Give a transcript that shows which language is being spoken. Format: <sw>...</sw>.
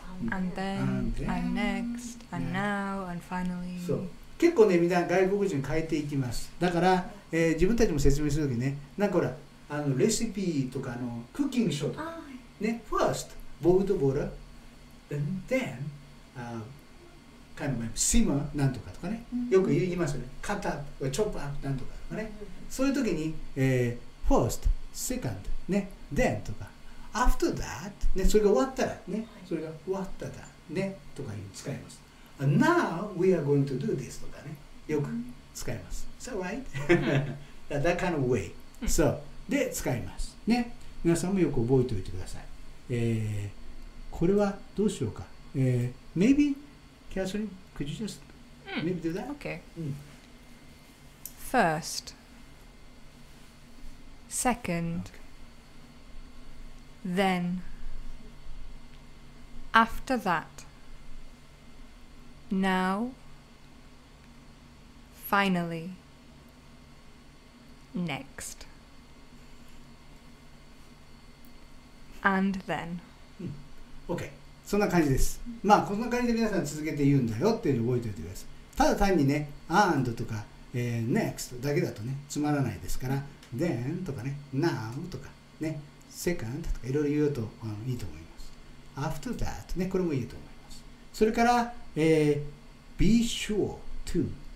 <en>and then and next and now and finally、</en> <ja>ね、そう結構ねみんな外国人変えていきます。だから、自分たちも説明するときね、なんかほらあのレシピとかあのクッキングショーとかね、 first ボウトボール</ja> <en>and then kind of simmer</en> <ja>なんとかとかね、よく言いますよね、カットアップチョップアップなんとかとかね、そういうときに、first second ね then とか</ja> <en>After that、</en> <ja>ね、それが終わったらね、それが終わったらねとかいうの使います。</ja> <en>Now we are going to do this</en> <ja>とかね、よく使います。</ja> <en>Is that right? that kind of way so</en> <ja>で使いますね。皆さんもよく覚えておいてください。これはどうしようか、</ja> <en>Maybe Catherine, could you just maybe do that? Okay、First Second、okay. Then, after that, now, finally, next, and then.</en> <ja>OK. そんな感じです。まあ、こんな感じで皆さん続けて言うんだよっていうのを覚えておいてください。ただ単にね、and とか、next だけだとね、つまらないですから、then とかね、now とかね。 Second とかいろいろ言うといいと思います。</ja> <en>After that</en> <ja>ね、これもいいと思います。それから、</ja> <en>Be sure to。</en>